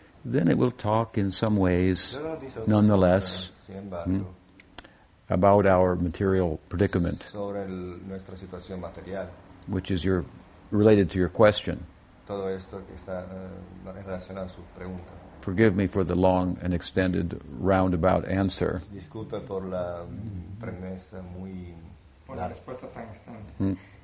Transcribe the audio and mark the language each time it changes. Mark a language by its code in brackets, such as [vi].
[en] Then it will talk in some ways, [es] pero [en] nonetheless, [es] sin embargo, [en] about our material predicament, [es] sobre nuestra situación material, [en] which is related to your question. [es] Todo esto que está relacionado a su pregunta. [en] Forgive me for the long and extended roundabout answer. [es] Disculpe por la premisa muy la respuesta tan extensa.